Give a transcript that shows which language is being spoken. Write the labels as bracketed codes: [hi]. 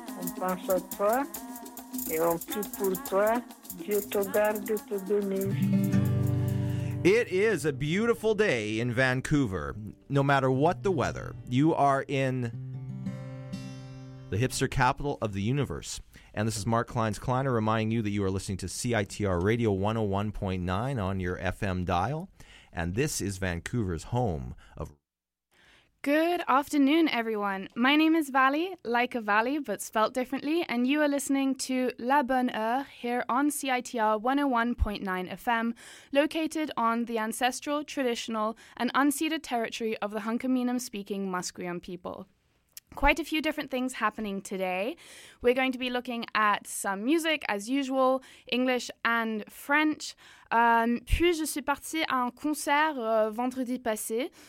[fr] On pense à toi et on prie pour toi. Dieu te garde, te bénisse. [en] It is a beautiful day in Vancouver, no matter what the weather. You are in the hipster capital of the universe. And this is Mark Klein's Kleiner reminding you that you are listening to CITR Radio 101.9 on your FM dial. And this is Vancouver's home of... Good afternoon, everyone. My name is Valley, like a valley, but spelt differently, and you are listening to La Bonne Heure here on CITR 101.9 FM, located on the ancestral, traditional, and unceded territory of the Hunkaminam-speaking Musqueam people. Quite a few different things happening today. We're going to be looking at some music, as usual, English and French. [fr] Puis je suis partie à un concert vendredi passé.